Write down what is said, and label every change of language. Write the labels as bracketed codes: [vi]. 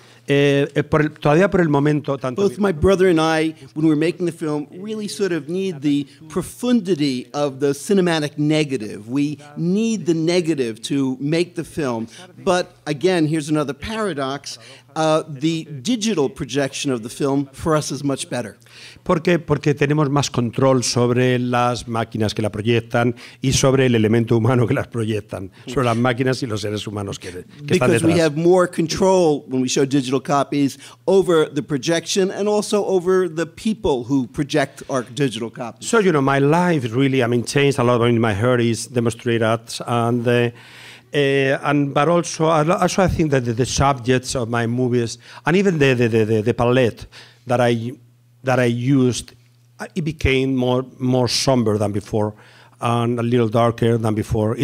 [en] Both my brother and I, when we're making the film, really sort of need the profundity of the cinematic negative. We need the negative to make the film. But again, here's another paradox. The digital projection of the film for us is much better. [es] Porque tenemos más control sobre las máquinas que la proyectan y sobre el elemento humano que las proyectan, sobre las máquinas y los seres humanos que están detrás. [en] Because we have more control when we show digital copies over the projection and also over the people who project our digital copies. So, you know, my life really, I mean, changed a lot. I mean, my hair is demonstrated and but also I think that the subjects of my movies and even the palette that I used, it became more somber than before and a little darker than before.